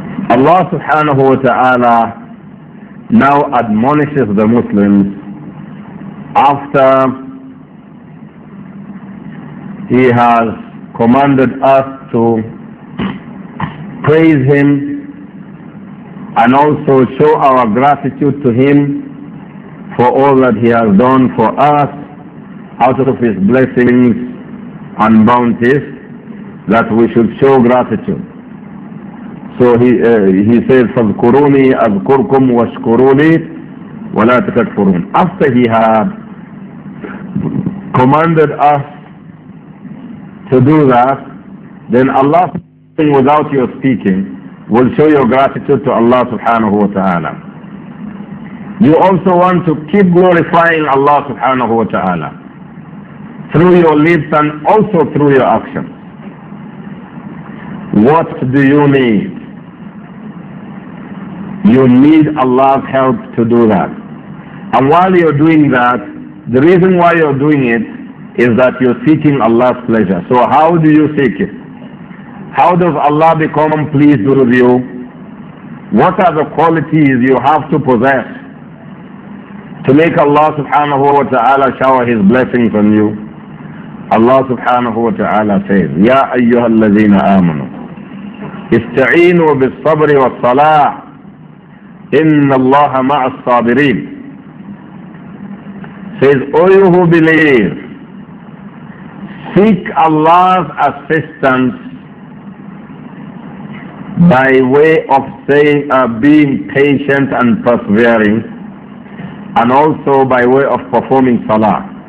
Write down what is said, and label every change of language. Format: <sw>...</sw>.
<ar>الله سبحانه وتعالى</ar> <en>now admonishes the Muslims after He has commanded us to praise Him and also show our gratitude to Him for all that He has done for us out of His blessings and bounties, that we should show gratitude. So he says,</en> <ar>فَذْكُرُونِي أَذْكُرْكُمْ وَاشْكُرُونِي وَلَا تَكَفُرُونَ.</ar> <en>After He had commanded us to do that, then Allah, without your speaking, will show your gratitude to Allah subhanahu wa ta'ala. You also want to keep glorifying Allah subhanahu wa ta'ala through your lips and also through your actions. What do you need? You need Allah's help to do that. And while you're doing that, the reason why you're doing it is that you're seeking Allah's pleasure. So how do you seek it? How does Allah become pleased with you? What are the qualities you have to possess to make Allah subhanahu wa ta'ala shower His blessings on you? Allah subhanahu wa ta'ala says,</en> <ar>يَا أَيُّهَا الَّذِينَ آمَنُوا اِسْتَعِينُوا بِالصَّبْرِ وَالصَّلَاةِ إِنَّ اللَّهَ مَعَ الصَّابِرِينَ.</ar> <en>Says, O you who believe, seek Allah's assistance by way of saying, being patient and persevering, and also by way of performing salah.</en>